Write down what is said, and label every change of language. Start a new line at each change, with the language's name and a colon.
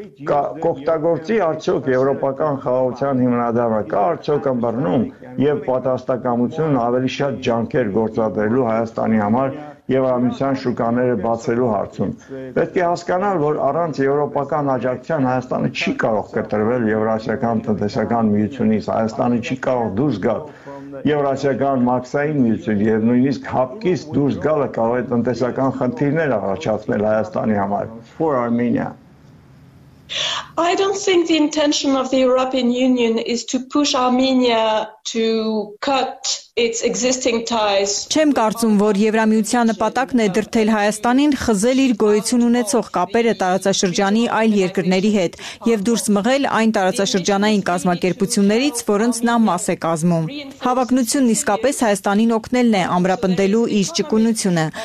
Armenian: Կօգտագործի արդյոք Եվրոպական խաղաղության հիմնադրամը, կա արդյոք ըմբռնում և պատրաստակամություն ավելի շատ ջանքեր գործադրելու Հայաստանի համար Եվրամիության շուկաները բացելու հարցում։ Պետք է հասկանալ, որ առանց Եվրոպական աջակցության Հայաստանը չի կարող կտրվել Եվրասիական տնտեսական միությունից, Հայաստանը չի կարող դուրս գալ Եվրասիական մաքսային միություն, և նույնիսկ հապկից դուրս գալը կարող է տնտեսական խնդիրներ առաջացնել Հայաստանի համար։
English: For Armenia. I don't think the intention of the European Union is to push Armenia to cut its existing ties.
Armenian: Չեմ կարծում, որ Եվրամիության նպատակն է դրդել Հայաստանին խզել իր գոյություն ունեցող կապերը տարածաշրջանի այլ երկրների հետ և դուրս մղել այն տարածաշրջանային կազմակերպություններից, որոնց նա մաս է կազմում։ Հավակնությունն իսկապես Հայաստանին օգնելն է ամրապնդելու իր ճկունությունը։